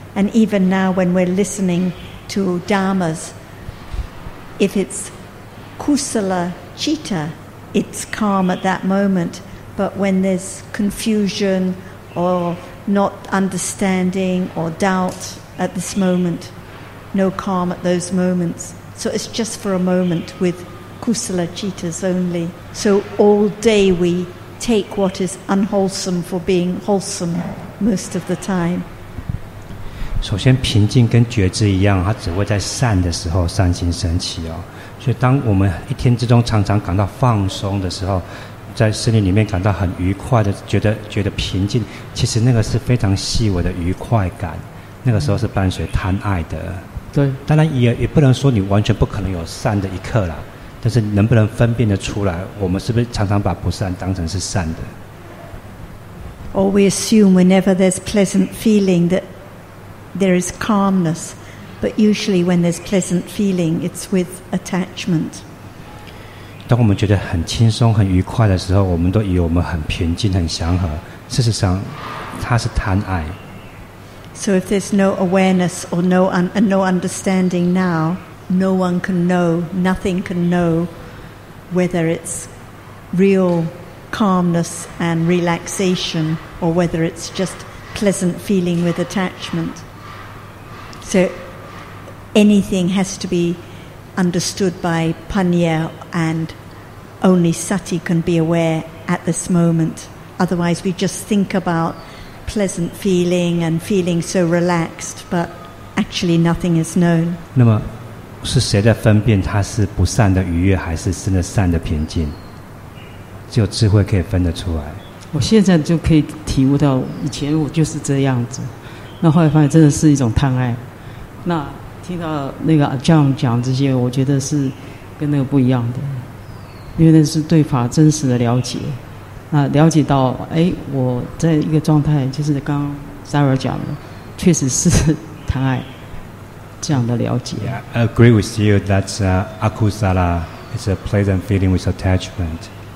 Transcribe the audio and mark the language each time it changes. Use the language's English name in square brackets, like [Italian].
[English] And even now when we're listening to dharmas, if it's kusala citta, it's calm at that moment, but when there's confusion or not understanding or doubt at this moment... No calm at those moments. So it's just for a moment with kusala cittas only. So all day we take what is unwholesome for being wholesome most of the time. [Chinese] 首先平静跟觉知一样，它只会在善的时候善心升起哦。所以当我们一天之中常常感到放松的时候，在森林里面感到很愉快的，觉得平静，其实那个是非常细微的愉快感，那个时候是伴随贪爱的。对，当然也不能说你完全不可能有善的一刻啦，但是能不能分辨得出来，我们是不是常常把不善当成是善的 [English] ？Or we assume whenever there's pleasant feeling that there is calmness, but usually when there's pleasant feeling, it's with attachment. [Chinese] 当我们觉得很轻松、很愉快的时候，我们都以为我们很平静、很祥和，事实上，它是贪爱。 [English] So if there's no awareness or no understanding now, no one can know, nothing can know whether it's real calmness and relaxation or whether it's just pleasant feeling with attachment. So anything has to be understood by panya and only sati can be aware at this moment. Otherwise we just think aboutpleasant feeling and feeling so relaxed, but actually nothing is known. [Chinese] 那么是谁在分辨它是不善的愉悦还是真的善的平静？只有智慧可以分得出来。我现在就可以体悟到，以前我就是这样子，那后来发现真的是一种贪爱。那听到那个阿将讲这些，我觉得是跟那个不一样的，因为那是对法真实的了解。那了解到，哎，我在一个状态，就是刚刚 Sarah 讲的，确实是贪爱这样的了解。 [English] Yeah, I agree with you that akusala is a pleasant feeling with attachment.